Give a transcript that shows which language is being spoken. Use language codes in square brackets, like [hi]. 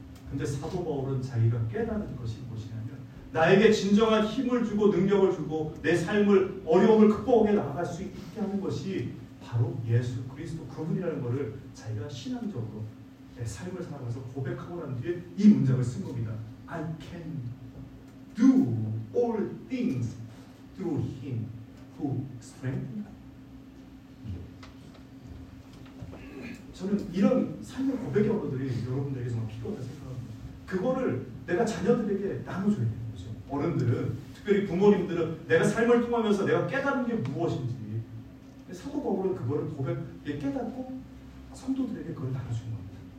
[ko] 근데 사도 바울은 자기가 깨닫는 것이 무엇이냐면 나에게 진정한 힘을 주고 능력을 주고 내 삶을 어려움을 극복해 나아갈 수 있게 하는 것이 바로 예수 그리스도 그분이라는 것을 자기가 신앙적으로 내 삶을 살아가면서 고백하고 난 뒤에 이 문장을 쓴 겁니다. [en] I can do all things through him who strengthens me. [ko] 저는 이런 삶의 고백의 언어들이 여러분들에게 정말 필요하다고 생각합니다. 그거를 내가 자녀들에게 나눠줘야 돼요. 어른들은, 특별히 부모님들은 내가 삶을 통하면서 내가 깨닫는 게 무엇인지 사도 바울은 그거를 고백에 깨닫고 성도들에게 그걸 나눠주는 겁니다.